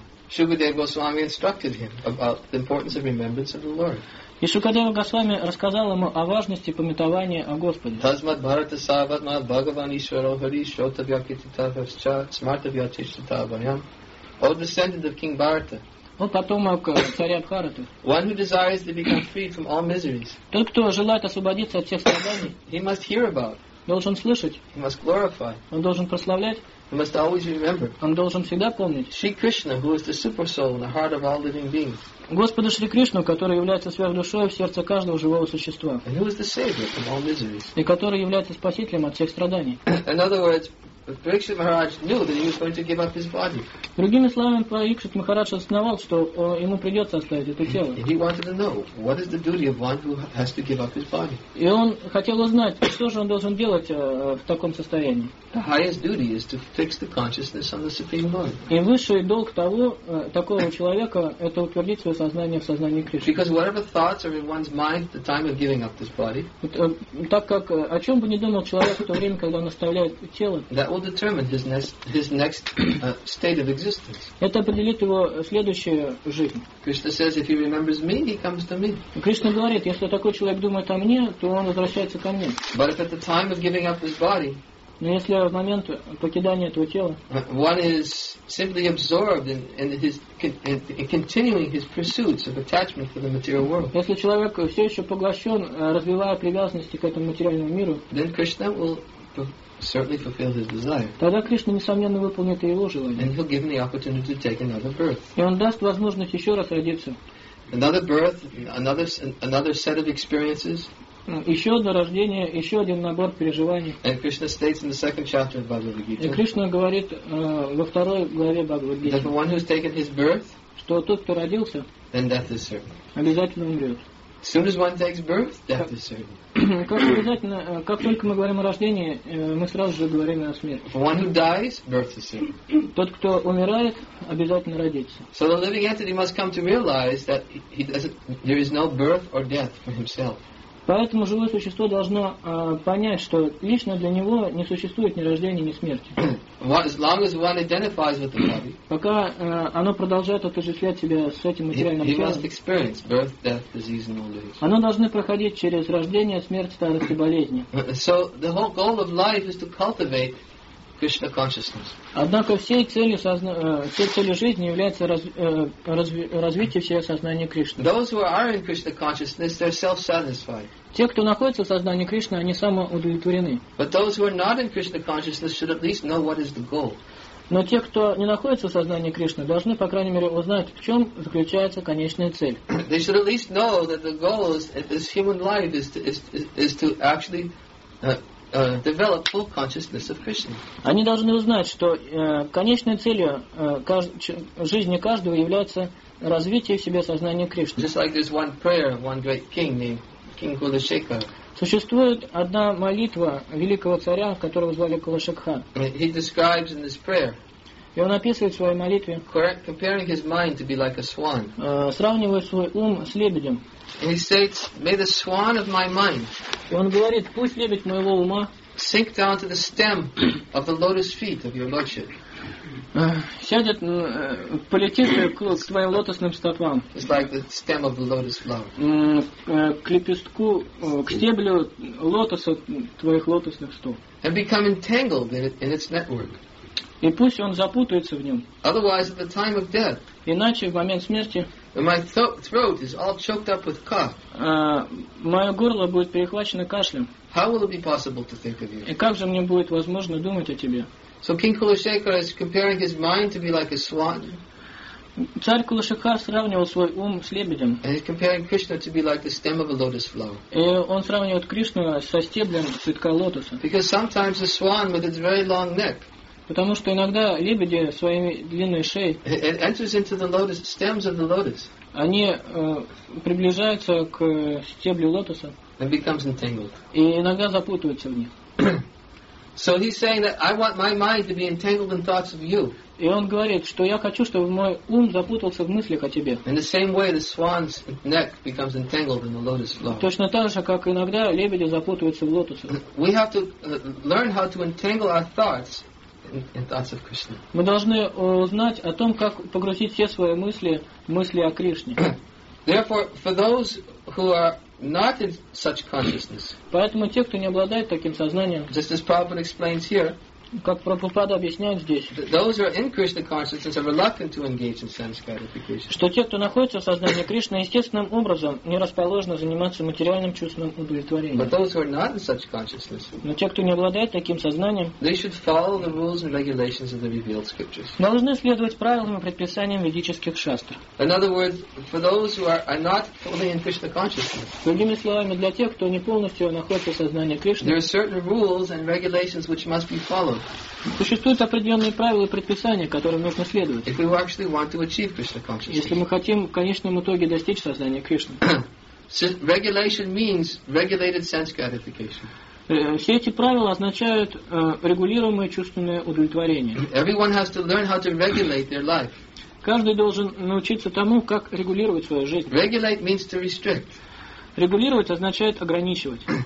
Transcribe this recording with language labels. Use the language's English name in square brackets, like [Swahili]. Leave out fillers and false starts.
[English] Shukadeva Goswami instructed him about the importance of remembrance of the Lord. [Russian] И Шукадева Госвами рассказал ему о важности памятования о Господе. [Sanskrit] Тазмат Бхарата Саватмат Бхагаван Ишваро Хари Шотавьякититавасча Смартавьячиштитавайам. [English] O descendant of King Bharata. [Russian] О потомок царя Бхараты. [English] One who desires to become free from all miseries. [Russian] Тот, кто желает освободиться от всех страданий. [English] He must hear about. [Russian] Должен слышать. [English] He must glorify. [Russian] Он должен прославлять. [English] He must always remember. [Russian] Он должен всегда помнить. [English] Shri Krishna, who is the super soul in the heart of all living beings. [Russian] Господа Шри Кришну, который является сверхдушой в сердце каждого живого существа. [English] And who is the savior from all miseries. [Russian] И который является спасителем от всех страданий. [English] In other words, Parikshit Maharaj knew that he was going to give up his body. [Russian] Другими словами, Парикшит Махарадж осознавал, что ему придется оставить это тело. [English] He wanted to know what is the duty of one who has to give up his body. [Russian] И он хотел узнать, что же он должен делать в таком состоянии. [English] The highest duty is to fix the consciousness on the Supreme Lord. [Russian] И высший долг того такого человека – это утвердить свое сознание в сознании Кришны. [English] Because whatever thoughts are in one's mind at the time of giving up this body. [Russian] Так как о чем бы ни думал человек в то время, когда он оставляет тело. [English] That will determine his next state of existence. [Russian] Это определит его следующую жизнь. [English] Krishna says, if he remembers me, he comes to me. [Russian] Кришна говорит, если такой человек думает о мне, то он возвращается ко мне. [English] But if at the time of giving up his body, [Russian] но если в момент покидания этого тела, [English] one is simply absorbed in continuing his pursuits of attachment to the material world. [Russian] Если человек все еще поглощен, развивая привязанности к этому материальному миру, [English] then Krishna will certainly fulfill his desire. [Russian] Тогда Кришна несомненно выполнит и его желание. [English] And he'll give him the opportunity to take another birth. [Russian] И он даст возможность еще раз родиться. [English] Another birth, another set of experiences. [Russian] Еще одно рождение, еще один набор переживаний. [English] And Krishna states in the second chapter of Bhagavad Gita. [Russian] И Кришна говорит во второй главе Бхагавад Гиты. [English] That one who's taken his birth, [Russian] что тот, кто родился, [English] then death is certain. [Russian] Обязательно умрет. [English] As soon as one takes birth, death is certain. [Russian] Как обязательно, как только мы говорим о рождении, мы сразу же говорим о смерти. [English] One who dies, birth is certain. [Russian] Тот, кто умирает, обязательно родится. [English] So the living entity must come to realize that there is no birth or death for himself. [Russian] Поэтому живое существо должно понять, что лично для него не существует ни рождения, ни смерти. [English] As long as one identifies with the body, [Russian] пока оно продолжает отождествлять себя с этим материальным телом, [English] he must experience birth, death, disease, and old age. [Russian] Оно должно проходить через рождение, смерть, старость и болезни. [English] So the whole goal of life is to cultivate Krishna consciousness. [Russian] Однако всей целью жизни является развитие всего сознания Кришны. [English] Those who are in Krishna consciousness, they're self-satisfied. [Russian] Те, кто находится в сознании Кришны, они самоудовлетворены. [English] But those who are not in Krishna consciousness should at least know what is the goal. [Russian] Но те, кто не находится в сознании Кришны, должны, по крайней мере, узнать, в чем заключается конечная цель. [English] They should at least know that the goal of this human life is to actually develop full consciousness of Krishna. [Russian] Они должны узнать, что конечной целью жизни каждого является развитие в себе сознания Кришны. [English] Just like there's one prayer of one great king named King Kulashekhar. [Russian] Существует одна молитва великого царя, которого звали Кулашекха. [English] He describes in this prayer. [Russian] И он описывает в своей молитве. [English] Comparing his mind to be like a swan. [Russian] Сравнивая свой ум с лебедем. [English] And he states, "May the swan of my mind." [Russian] И он говорит, пусть лебедь моего ума [English] sink down to the stem of the lotus feet of your lordship. [Russian] Сядет полетевшая к твоим лотосным стопам. [English] It's like the stem of the lotus flower. [Russian] К лепестку, к стеблю лотоса твоих лотосных стоп. [English] And become entangled in its network. [Russian] И пусть он запутается в нем. [English] Otherwise, at the time of death. [Russian] Иначе в момент смерти. [English] My throat is all choked up with cough. [Russian] Мое горло будет перехвачено кашлем. [English] How will it be possible to think of you? [Russian] И как же мне будет возможно думать о тебе? [English] So King Kulashekara is comparing his mind to be like a swan. [Russian] Царь Кулашекар сравнивал свой ум с лебедем. [English] And he's comparing Krishna to be like the stem of a lotus flower. [Russian] И он сравнивает Кришну со стеблем цветка лотоса. [English] Because sometimes a swan with its very long neck. [Russian] Потому что иногда лебеди своими длинной шеей. [English] It enters into the lotus, stems of the lotus. [Russian] Они приближаются к стеблю лотоса. [English] And becomes entangled. [Russian] И иногда запутываются в них. [English] So he's saying that I want my mind to be entangled in thoughts of you. [Russian] И он говорит, что я хочу, чтобы мой ум запутался в мыслях о тебе. [English] In the same way, the swan's neck becomes entangled in the lotus flower. [Russian] Точно так же, как иногда лебеди запутываются в лотосе. [English] We have to learn how to entangle our thoughts in thoughts of Krishna. [Russian] Мы должны узнать о том, как погрузить все свои мысли в мысли о Кришне. [English] Therefore, for those who are not in such consciousness. [Russian] Поэтому те, кто не обладает таким сознанием, [English] just as Prabhupada explains here, [Russian] как Прабхупада объясняет здесь, [English] those who are in Krishna consciousness are reluctant to engage in sense gratification. [Russian] Что те, кто находится в сознании Кришны, естественным образом не расположены заниматься материальным чувственным удовлетворением. [English] But those who are not in such consciousness. [Russian] Но те, кто не обладает таким сознанием, [English] they should follow the rules and regulations of the revealed scriptures. [Russian] Должны следовать правилам и предписаниям ведических шастр. [English] In other words, for those who are not fully in Krishna consciousness. [Russian] Другими словами, для тех, кто не полностью находится в сознании Кришны, [English] there are certain rules and regulations which must be followed. [Russian] Существуют определенные правила и предписания, которым нужно следовать. [English] If we actually want to achieve Krishna consciousness. [Russian] Если мы хотим в конечном итоге достичь сознания Кришны. [English] Regulation means regulated sense gratification. [Russian] Все эти правила означают регулируемое чувственное удовлетворение. [English] Everyone has to learn how to regulate their life. [Russian] Каждый должен научиться тому, как регулировать свою жизнь. [English] Regulate means to restrict. [Russian] Регулировать означает ограничивать.